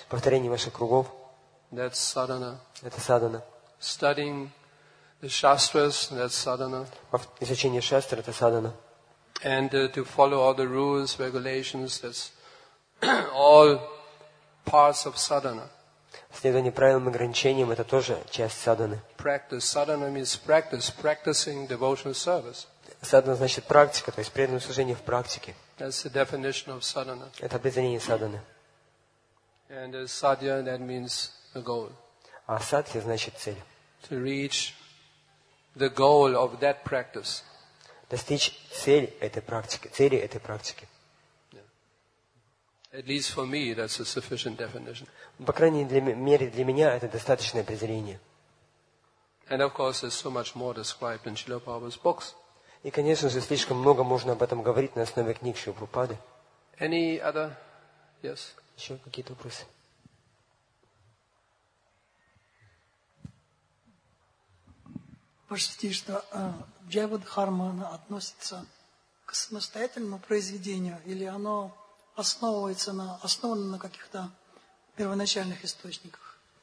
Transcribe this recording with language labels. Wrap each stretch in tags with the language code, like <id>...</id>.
<ru>Повторение ваших кругов.</ru> <en>That's sadhana.</en> <ru>Это садхана.</ru> <en>Studying the shastras. That's sadhana.</en> <ru>Изучение шастр – это садхана.</ru> <en>And to follow all the rules, regulations. That's all parts of sadhana.</en> <ru>Следование правилам и ограничениям – это тоже часть садханы.</ru> <en>Practice. Sadhana means practice. Practicing devotional service.</en> <ru>Садхана значит практика, то есть преданное служение в практике.</ru> <en>That's the definition of sadhana.</en> <ru>Это определение садханы.</ru> <en>And sadhya, that means the goal.</en> <ru>А садхи значит цель.</ru> <en>To reach the goal of that practice.</en> <ru>Достичь цели этой практики.</ru> <en>At least for me, that's a sufficient definition.</en> <ru>По крайней мере, для меня это достаточное определение.</ru> <en>And of course, there's so much more described in Srila Prabhupada's books.</en> <ru>И, конечно же, слишком много можно об этом говорить на основе книг Шрилы Прабхупады.</ru> <en>Any other? Yes.</en> <ru>Еще какие-то вопросы? Пошути, что Джайвадхармана относится к самостоятельному произведению или оно основано на каких-то первоначальных источниках?</ru>